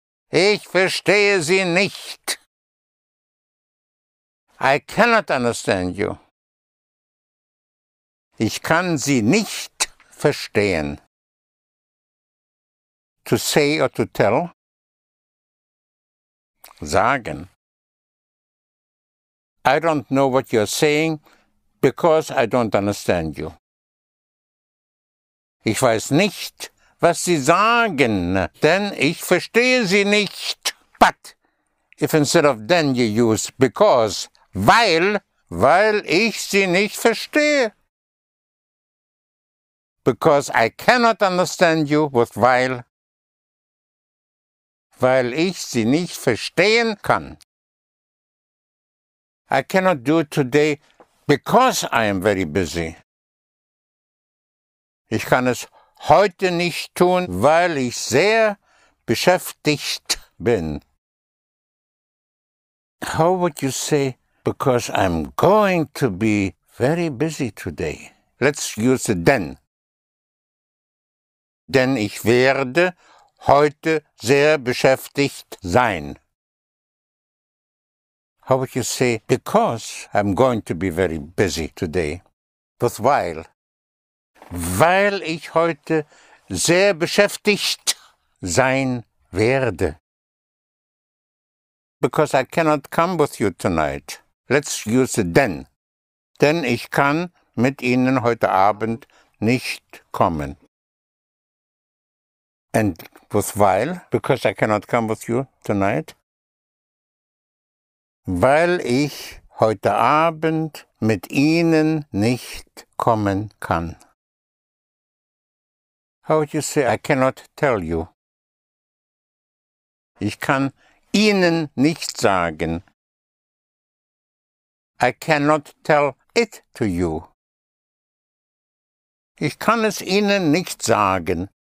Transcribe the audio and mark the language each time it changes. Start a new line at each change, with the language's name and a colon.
German: Ich verstehe Sie nicht.
English: I cannot understand you.
German: Ich kann Sie nicht verstehen.
English: To say or to tell.
German: sagen.
English: I don't know what you're saying, because I don't understand you.
German: Ich weiß nicht, was Sie sagen, denn ich verstehe Sie nicht.
English: But if instead of then you use because,
German: weil ich Sie nicht verstehe.
English: Because I cannot understand you with while.
German: Weil ich Sie nicht verstehen kann.
English: I cannot do it today because I am very busy.
German: Ich kann es heute nicht tun, weil ich sehr beschäftigt bin.
English: How would you say, because I'm going to be very busy today? Let's use the denn.
German: Denn ich werde heute sehr beschäftigt sein.
English: How would you say, because I'm going to be very busy today? With while.
German: Weil ich heute sehr beschäftigt sein werde.
English: Because I cannot come with you tonight. Let's use the denn.
German: Denn ich kann mit Ihnen heute Abend nicht kommen.
English: And with while, because I cannot come with you tonight.
German: Weil ich heute Abend mit Ihnen nicht kommen kann.
English: How would you say, I cannot tell you?
German: Ich kann Ihnen nicht sagen.
English: I cannot tell it to you.
German: Ich kann es Ihnen nicht sagen.